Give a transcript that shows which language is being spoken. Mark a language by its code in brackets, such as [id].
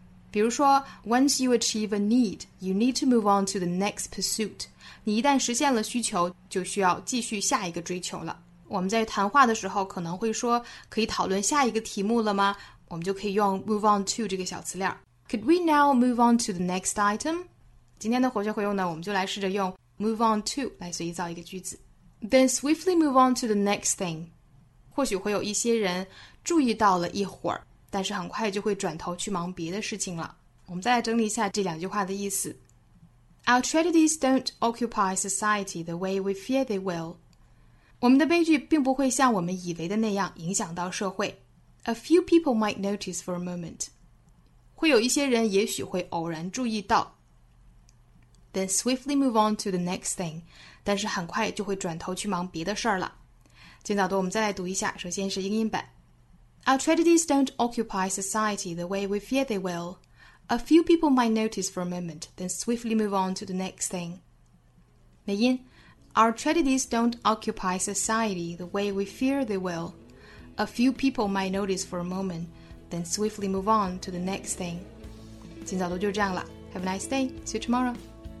[zh] 比如说 [en] ，Once you achieve a need, you need to move on to the next pursuit. [zh] 你一旦实现了需求，就需要继续下一个追求了。我们在谈话的时候可能会说，可以讨论下一个题目了吗？我们就可以用 move on to 这个小词链。 [en] Could we now move on to the next item? [zh] 今天的活学会用呢，我们就来试着用 move on to 来随意造一个句子。 [en] Then swiftly move on to the next thing. [zh] 或许会有一些人注意到了一会儿，但是很快就会转头去忙别的事情了。我们再来整理一下这两句话的意思。 [en] Our tragedies don't occupy society the way we fear they will. [zh] 我们的悲剧并不会像我们以为的那样影响到社会。 [en] A few people might notice for a moment. [zh] 会有一些人也许会偶然注意到。 Then swiftly move on to the next thing. 但是很快就会转头去忙别的事儿了。今早读我们再来读一下，首先是英音版。 [en] Our tragedies don't occupy society the way we fear they will. A few people might notice for a moment, then swiftly move on to the next thing. [zh] 美音。 [en] Our tragedies don't occupy society the way we fear they will. A few people might notice for a moment, then swiftly move on to the next thing. [zh] 今早读就这样了。 [en] Have a nice day. See you tomorrow.